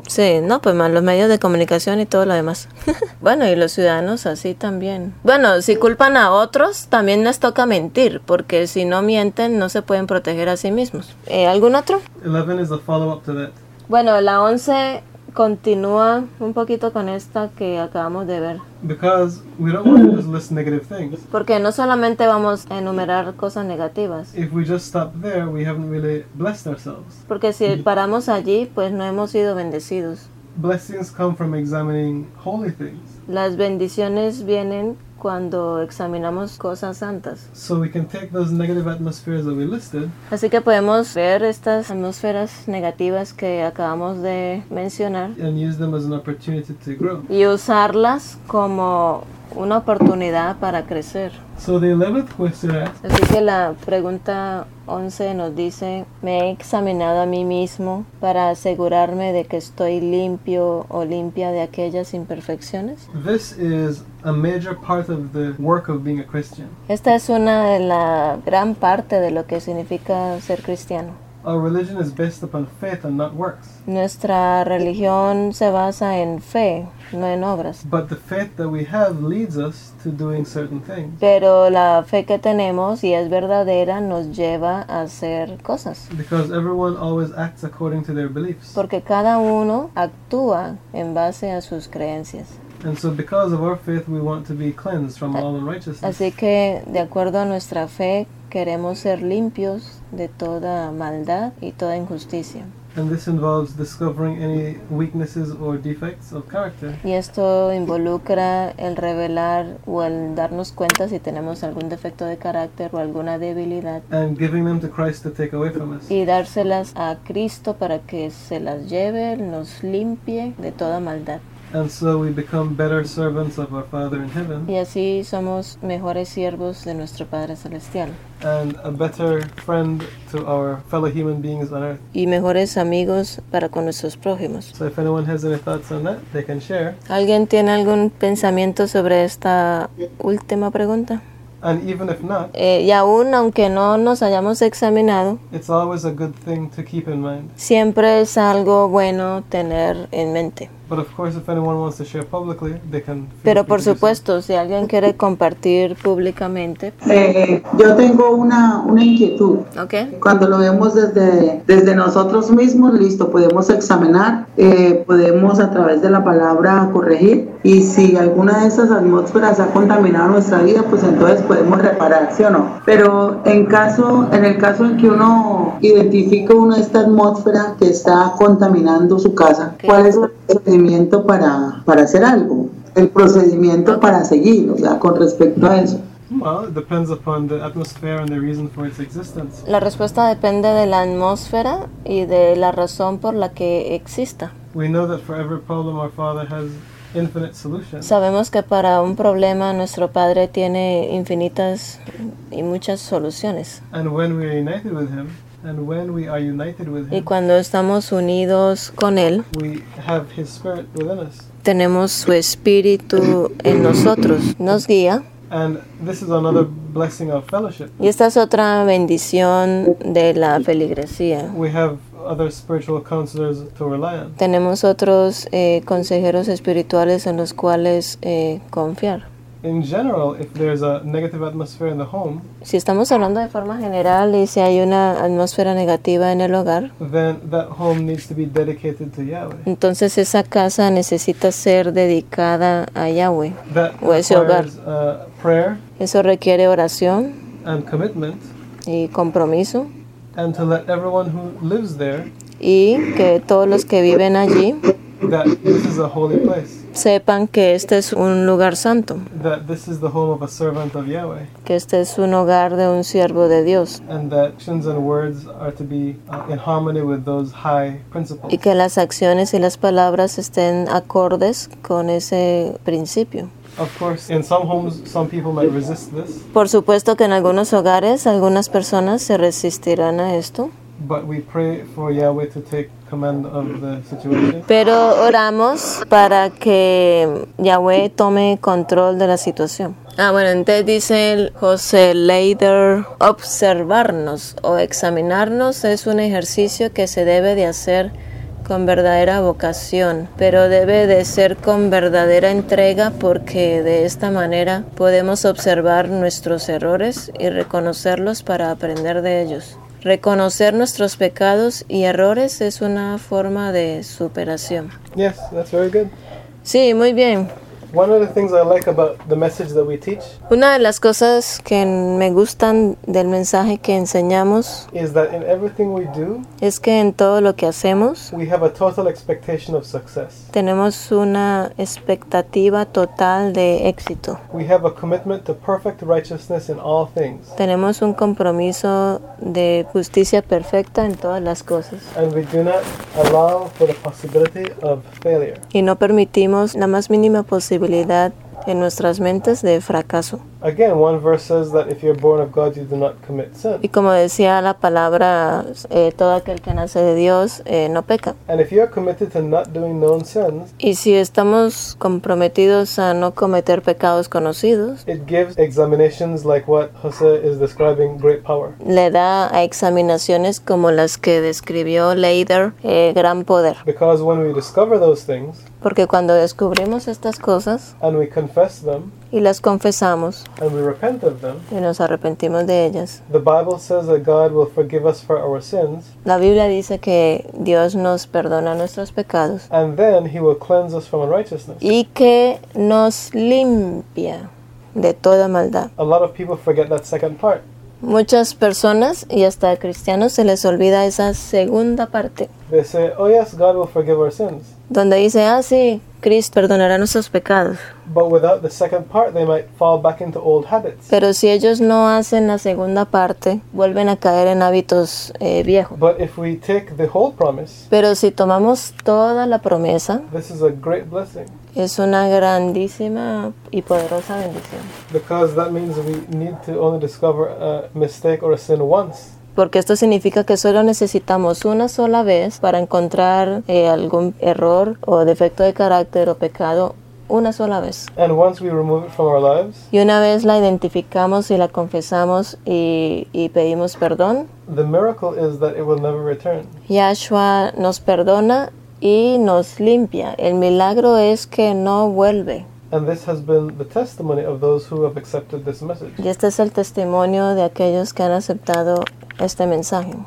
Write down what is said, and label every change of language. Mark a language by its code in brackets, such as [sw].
[es] Sí, no, pues más los medios de comunicación y todo lo demás. Bueno, y los ciudadanos así también. Bueno, si culpan a otros, también les toca mentir, porque si no mienten, no se pueden proteger a sí mismos. ¿Algún otro? 11 es el [en] follow-up to that. [es] Bueno, la 11 continúa un poquito con esta que acabamos de ver. [en] Because we don't want to just list negative things. [es] Porque no solamente vamos a enumerar cosas negativas. [en] If we just stop there, we haven't really blessed ourselves. [es] Porque si paramos allí, pues no hemos sido bendecidos. [en] Blessings come from examining holy things. [es] Las bendiciones vienen cuando examinamos cosas santas. [en] So we can take those negative atmospheres that we listed. [es] Así que podemos ver estas atmósferas negativas que acabamos de mencionar. [en] And use them as an opportunity to grow. [es] Y usarlas como una oportunidad para crecer. [en] So the 11th question asks. [es] Así que la pregunta 11 nos dice: me he examinado a mí mismo para asegurarme de que estoy limpio o limpia de aquellas imperfecciones. [en] This is a major part of the work of being a Christian. [es] Esta es una de la gran parte de lo que significa ser cristiano. [en] Our religion is based upon faith and not works. [es] Nuestra religión se basa en fe, no en obras. [en] But the faith that we have leads us to doing certain things. [es] Pero la fe que tenemos y es verdadera nos lleva a hacer cosas. [en] Because everyone always acts according to their beliefs. [es] Porque cada uno actúa en base a sus creencias. [en] And so because of our faith we want to be cleansed from all unrighteousness. [es] Así que de acuerdo a nuestra fe queremos ser limpios de toda maldad y toda injusticia. [en] And this involves discovering any weaknesses or defects of character. [es] Y esto involucra el revelar o el darnos cuenta si tenemos algún defecto de carácter o alguna debilidad. [en] And giving them to Christ to take away from us. [es] Y dárselas a Cristo para que se las lleve, nos limpie de toda maldad. [en] And so we become better servants of our Father in heaven. [es] Y así somos mejores siervos de nuestro Padre Celestial. [en] And a better friend to our fellow human beings on earth. [es] Y mejores amigos para con nuestros prójimos. [en] So if anyone has any thoughts on that, they can share. [es] ¿Alguien tiene algún pensamiento sobre esta última pregunta? [en] And even if not, [es] y aún aunque no nos hayamos examinado, [en] it's always a good thing to keep in mind. [es] Siempre es algo bueno tener en mente. [en] But of course, if anyone wants to share publicly, they can. [es] Pero por supuesto, si alguien quiere compartir públicamente. Yo tengo una inquietud. [en] Okay. [es] Cuando lo vemos desde nosotros mismos, listo, podemos examinar, podemos a través de la palabra corregir, y si alguna de esas atmósferas ha contaminado nuestra vida, pues entonces podemos reparar, ¿sí o no? Pero en el caso en que uno identifica una de estas atmósferas que está contaminando su casa, okay, ¿cuál es el procedimiento para hacer algo? El procedimiento para seguir, o sea, con respecto a eso. [en] Well, it depends upon the atmosphere and the reason for its existence. [es] La respuesta depende de la atmósfera y de la razón por la que exista. [en] We know that for every problem our Father has infinite solutions. [es] Sabemos que para un problema nuestro Padre tiene infinitas y muchas soluciones. [en] And when we are united with him, and when we are united with him, [es] y cuando estamos unidos con él, [en] we have his spirit within us. [es] Tenemos su espíritu en nosotros, nos guía. [en] And this is another blessing of fellowship. [es] Y esta es otra bendición de la feligresía. [en] We have other spiritual counselors to rely on. [es] Tenemos otros consejeros espirituales en los cuales confiar. [en] In general, if there's a negative atmosphere in the home, [es] si estamos hablando de forma general y si hay una atmósfera negativa en el hogar, [en] then that home needs to be dedicated to Yahweh. [es] Entonces esa casa necesita ser dedicada a Yahweh. [en] That requires, [es] o ese hogar. [en] Prayer. [es] Eso requiere oración. [en] And commitment. [es] y compromiso. [en] And to let everyone who lives there, [es] y que todos los que viven allí, [en] that this is a holy place, [es] sepan que este es un lugar santo, [en] that this is the home of a servant of Yahweh, [es] que este es un hogar de un siervo de Dios, [en] and that actions and words are to be in harmony with those high principles, [es] y que las acciones y las palabras estén acordes con ese principio. [en] Of course, in some homes, some people might resist this. [es] Por supuesto que en algunos hogares algunas personas se resistirán a esto. [en] But we pray for Yahweh to take command of the situation. [es] Pero oramos para que Yahweh tome control de la situación. Ah, bueno, entonces dice José Leider, observarnos o examinarnos es un ejercicio que se debe de hacer con verdadera vocación, pero debe de ser con verdadera entrega, porque de esta manera podemos observar nuestros errores y reconocerlos para aprender de ellos. Reconocer nuestros pecados y errores es una forma de superación. [en] Yes, that's very good. [es] Sí, muy bien. [en] One of the things I like about the message that we teach, [es] una de las cosas que me gustan del mensaje que enseñamos, [en] is that in everything we do, [es] es que en todo lo que hacemos, [en] we have a total expectation of success. [es] Tenemos una expectativa total de éxito. [en] We have a commitment to perfect righteousness in all things. [es] Tenemos un compromiso de justicia perfecta en todas las cosas. [en] And we do not allow for the possibility of failure. [es] Y no permitimos la más mínima posibilidad en nuestras mentes de fracaso. [en] Again, one verse says that if you're born of God, you do not commit sin. [es] Y como decía la palabra, todo aquel que nace de Dios no peca. [en] And if you're committed to not doing known sins, [es] y si estamos comprometidos a no cometer pecados conocidos, [en] it gives examinations like what Jose is describing, great power. [es] Le da a examinaciones como las que describió Leider, gran poder. [en] Because when we discover those things, [es] porque cuando descubrimos estas cosas, [en] and we confess them, [es] y las confesamos, [en] and we repent of them, [es] y nos arrepentimos de ellas, [en] the Bible says that God will forgive us for our sins, [es] la Biblia dice que Dios nos perdona nuestros pecados, [en] and then he will cleanse us from unrighteousness, [es] y que nos limpia de toda maldad. [en] A lot of people forget that second part. [es] Muchas personas y hasta cristianos se les olvida esa segunda parte. [en] They say, oh yes, God will forgive our sins. [es] Donde dice, ah sí, Cristo perdonará nuestros pecados. [en] But without the second part, they might fall back into old habits. [es] Pero si ellos no hacen la segunda parte, vuelven a caer en hábitos viejos. [en] But if we take the whole promise, [es] pero si tomamos toda la promesa, [en] this is a great blessing. [es] Es una grandísima y poderosa bendición. [en] Because that means we need to only discover a mistake or a sin once. [es] Porque esto significa que solo necesitamos una sola vez para encontrar algún error o defecto de carácter o pecado, una sola vez. [en] And once we remove it from our lives, [es] y una vez la identificamos y la confesamos y pedimos perdón, [en] the miracle is that it will never return. [es] Yahshua nos perdona y nos limpia. El milagro es que no vuelve. [en] And this has been the testimony of those who have accepted this message. [es] Y este es el testimonio de aquellos que han aceptado este mensaje.